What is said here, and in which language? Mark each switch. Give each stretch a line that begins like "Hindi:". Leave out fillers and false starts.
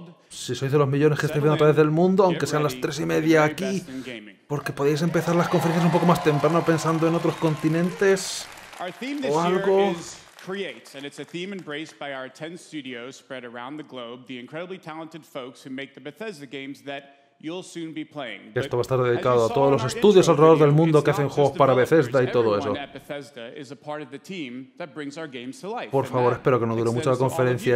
Spanish: Si sois de los millones que estáis viendo a través del mundo, aunque sean las 3:30 aquí, porque podéis empezar las conferencias un poco más temprano pensando en otros continentes o algo.
English: Creates, and it's a theme embraced by our 10 studios spread around the globe, the incredibly talented folks who make the Bethesda games that you'll soon be playing.
Spanish: Esto va a estar dedicado a todos los estudios alrededor del mundo que hacen juegos para Bethesda y todo eso. Por favor, espero que no dure mucho la conferencia.